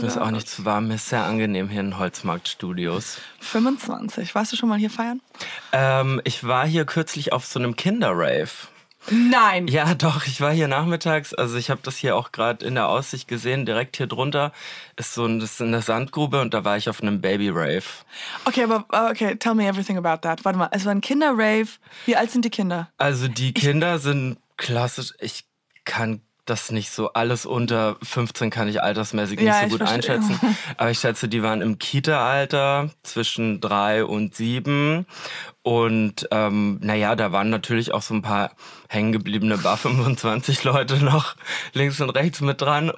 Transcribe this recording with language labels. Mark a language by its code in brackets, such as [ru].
[de] Mir ist auch nicht zu warm. Mir ist sehr angenehm hier in Holzmarktstudios. 25. Warst du schon mal hier feiern? Ich war hier kürzlich auf so einem Kinder-Rave. Nein! Ja, doch. Ich war hier nachmittags. Also ich habe das hier auch gerade in der Aussicht gesehen. Direkt hier drunter ist so eine Sandgrube und da war ich auf einem Baby-Rave. [en] Okay, [de] aber [en] okay, tell me everything about that. [de] Warte mal, es war ein Kinder-Rave. Wie alt sind die Kinder? Also die Kinder sind... Klassisch, ich kann das nicht so, alles unter 15 kann ich altersmäßig nicht so gut einschätzen. Aber ich schätze, die waren im Kita-Alter zwischen 3 und 7. Und naja, da waren natürlich auch so ein paar hängengebliebene Bar-25 Leute noch links und rechts mit dran.